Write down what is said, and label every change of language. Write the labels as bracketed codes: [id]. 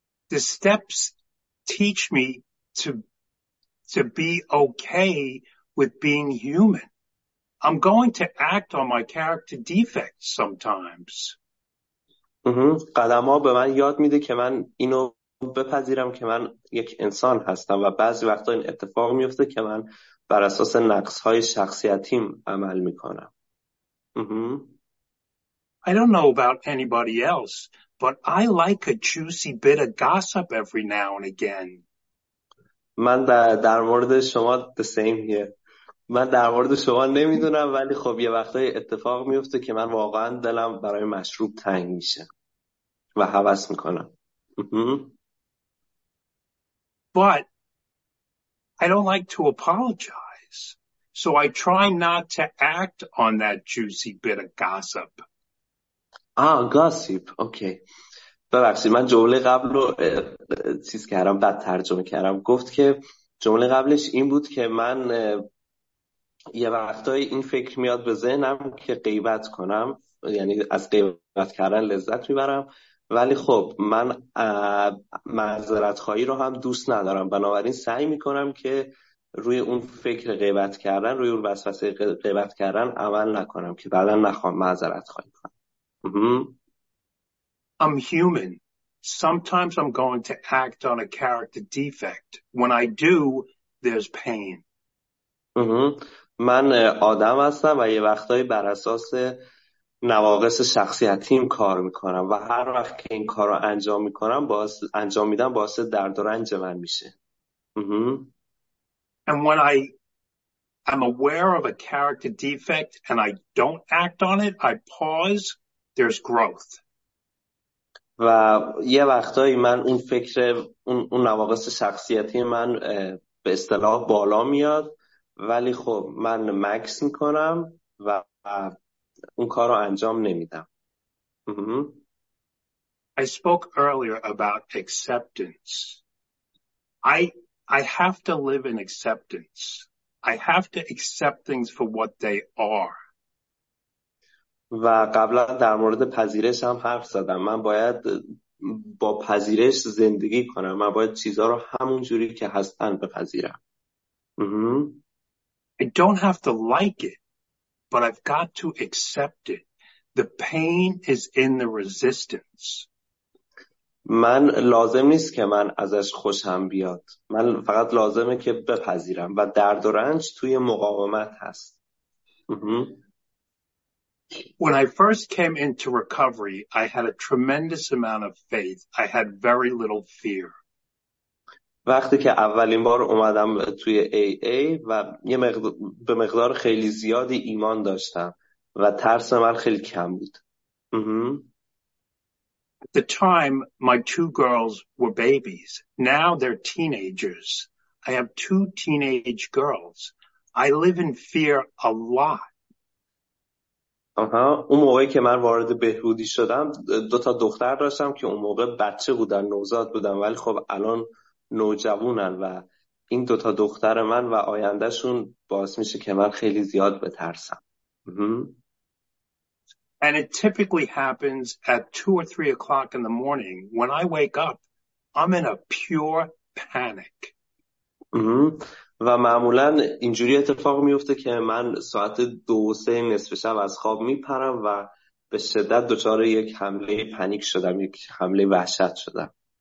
[en] The steps teach me to be okay with being human. I'm going to act on my character defects sometimes. [fa] قدم ها به من یاد میده که من اینو بپذیرم که من یک انسان هستم و بعضی وقتا این اتفاق میفته که من بر اساس نقص‌های شخصیتیم عمل میکنم. [en] I don't know about anybody else, but I like a juicy bit of gossip every now and again. [fa] من در مورد شما [en] the same here. [fa] من در مورد شما نمیدونم ولی خب یه وقتای اتفاق میفته که من واقعا دلم برای مشروب تنگ میشه و هوس میکنم. [en] But I don't like to apologize, so I try not to act on that juicy bit of gossip. Gossip. Okay. [fa] ببخشید من جمله قبل رو چیز کردم، بد ترجمه کردم. گفت که جمله قبلش این بود که من یه وقتای این فکر میاد به ذهنم که غیبت کنم، یعنی از غیبت کردن لذت میبرم، ولی خب من معذرت خواهی رو هم دوست ندارم، بنابراین سعی میکنم که روی اون فکر غیبت کردن، روی اون وسوسه غیبت کردن عمل نکنم که بعدا نخوام معذرت خواهی کنم. [en] I'm human, sometimes I'm going to act on a character defect. When I do, there's pain. [fa] من آدم هستم و یه وقتایی بر اساس نواقص شخصیتیم کار میکنم و هر وقت که این کار رو انجام میکنم باعث انجام میدم باعث درد و رنج من میشه. [en] And when I'm aware of a character defect and I don't act on it, I pause, there's growth. [fa] و یه وقتایی من اون فکر اون نواقص شخصیتی من به اصطلاح بالا میاد ولی خب من مکس میکنم و اون کار رو انجام نمیدم. [en] I spoke earlier about acceptance. I have to live in acceptance. I have to accept things for what they are. [fa] و قبلا در مورد پذیرش هم حرف زدم. من باید با پذیرش زندگی کنم. من باید چیزها رو همون جوری که هستن بپذیرم. [en] I don't have to like it, but I've got to accept it. The pain is in the resistance. [fa] من لازم نیست که من ازش خوشم بیاد. من فقط لازمه که بپذیرم و درد و رنج توی مقاومت هست. [en] When I first came into recovery, I had a tremendous amount of faith. I had very little fear. [fa] وقتی که اولین بار اومدم توی AA و یه مقدار به مقدار خیلی زیادی ایمان داشتم و ترس من خیلی کم بود. [en] At the time, my two girls were babies. Now they're teenagers. I have two teenage girls. I live in fear a lot. [fa] اون موقعی که من وارد بهبودی شدم دو تا دختر داشتم که اون موقع بچه بودن نوزاد بودن ولی خب الان نوجوانن و این دو تا دختر من و آیندهشون باعث میشه که من خیلی زیاد بترسم. [en] And it typically happens at 2 or 3 o'clock in the morning. When I wake up, I'm in a pure panic. [fa] و معمولا اینجوری اتفاق میفته که من ساعت 2 و 3 نصف شب از خواب میپرم و به شدت دچار یک حمله پانیک شدم، یک حمله وحشت شدم.